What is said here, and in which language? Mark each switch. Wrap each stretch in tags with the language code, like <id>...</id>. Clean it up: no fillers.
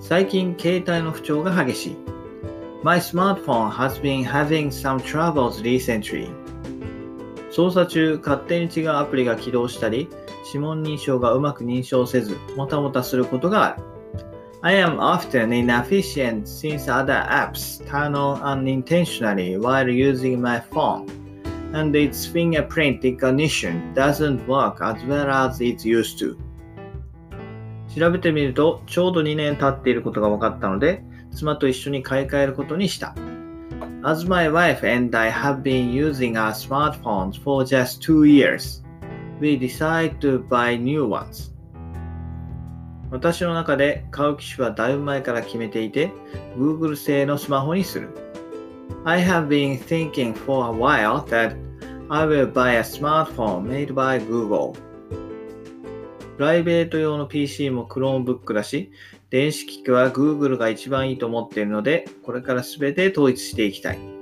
<ja>最近携帯の不調が激しい。</ja> <en>My smartphone has been having some troubles recently.</en> <ja>操作中勝手に違うアプリが起動したり、指紋認証がうまく認証せずもたもたすることがある。</ja> <en>I am often inefficient since other apps turn on unintentionally while using my phoneAnd its fingerprint recognition doesn't work as well as it used to.</en> <ja>調べてみると、ちょうど2年経っていることが分かったので、妻と一緒に買い替えることにした。</ja> <en>As my wife and I have been using our smartphones for just 2 years, we decide to buy new ones.</en> <ja>私の中で買う機種はだいぶ前から決めていて、Google 製のスマホにする。</ja> <en>I have been thinking for a while that I will buy a smartphone made by Google.</en> <ja>プライベート用の PC も Chromebook だし、電子機器は Google が一番いいと思っているので、これからすべて統一していきたい。</ja>